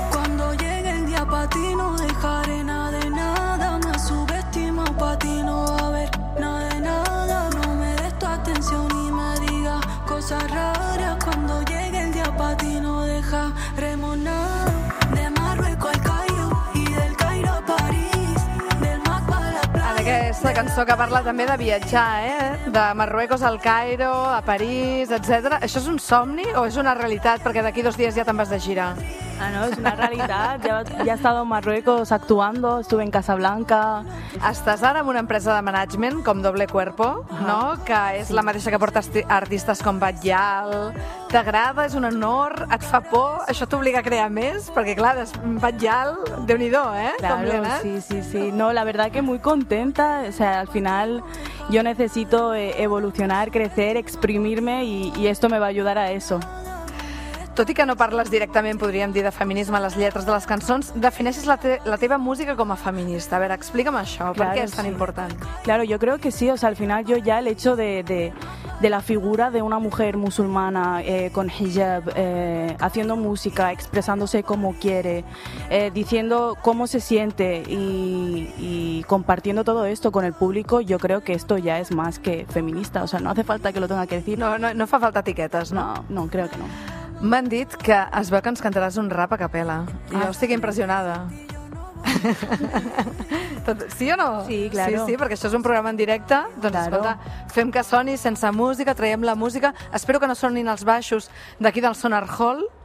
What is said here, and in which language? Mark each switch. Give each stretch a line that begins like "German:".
Spanish: Cuando llegue el día pa' ti no dejaré nada de nada, me subestimo pa' ti no va a haber nada de nada. No me des tu atención y me digas cosas raras. Cuando llegue el día pa' ti no dejaremos nada. De Marruecos al Cairo y del Cairo a París, del Mac pa' la playa.
Catalan: Aquesta cançó que parla també de viatjar, de Marruecos al Cairo, a París, etc. Això és un somni o és una realitat? Perquè d'aquí dos dies ja te'n vas de gira. Ah, no, és una realitat. Ja he estat a Marruecos
Spanish: actuando, estuve en Casablanca...
Catalan: Estàs ara en una empresa de management com Doble Cuerpo, no? Que és la mateixa que porta artistes com Batllal. T'agrada? És un honor? Et fa por? Això t'obliga a crear més? Perquè, clar, Batllal, déu-n'hi-do, Com li ha anat? Claro, sí.
Spanish: No, la verdad que muy contenta. O sea, al final... Yo necesito evolucionar, crecer, exprimirme y esto me va a ayudar a eso.
Catalan: Tot i que no parles directament, podríem dir, de feminisme a les lletres de les cançons, defineixes la teva música com a feminista. A veure, explica'm això, claro, per què és tan important?
Spanish: Claro, yo creo que sí. O sea, al final yo ya el hecho de la figura de una mujer musulmana con hijab, haciendo música, expresándose como quiere, diciendo cómo se siente y compartiendo todo esto con el público, yo creo que esto ya es más que feminista. O sea, no hace falta que lo tenga que decir.
Catalan: No fa falta etiquetes, ¿no?
Spanish: No, creo que no.
Catalan: M'han dit que es veu que ens cantaràs un rap a capella. Ah, jo estic impressionada. Sí o no?
Spanish: Sí, claro.
Catalan: Sí, perquè això és un programa en directe. Doncs claro. Escolta, fem que soni sense música, traiem la música. Espero que no sonin els baixos d'aquí del Sonar Hall.